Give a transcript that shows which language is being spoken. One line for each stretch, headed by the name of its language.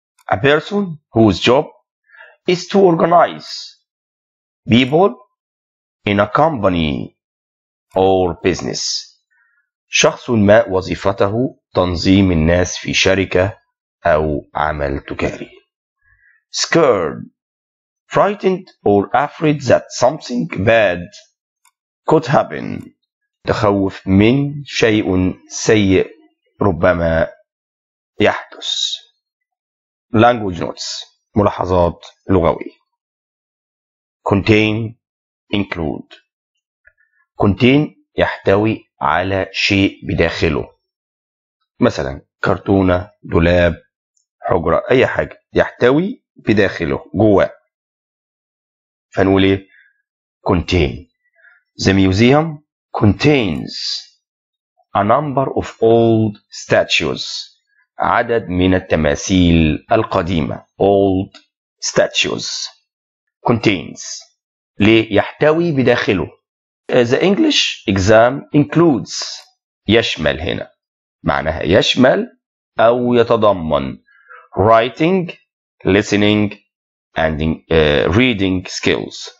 English: A person whose job is to organize people in a company or business.
Arabic: شخص ما وظيفته تنظيم الناس في شركة أو عمل تجاري.
English: Scared, frightened or afraid that something bad could happen.
Arabic: تخوف من شيء سيء ربما يحدث.
English: Language notes.
Arabic: ملاحظات لغوية.
English: Contain, include.
Arabic: Contain يحتوي على شيء بداخله، مثلا كرتونة، دولاب، حجرة، أي حاجة يحتوي بداخله جواه، فنقول إيه؟ Contain.
English: The museum contains a number of old statues.
Arabic: عدد من التماثيل القديمة.
English: Old statues. Contains.
Arabic: ليه يحتوي بداخله.
English: The English exam includes
Arabic: يشمل هنا معناها يشمل أو يتضمن
English: writing, listening and reading skills.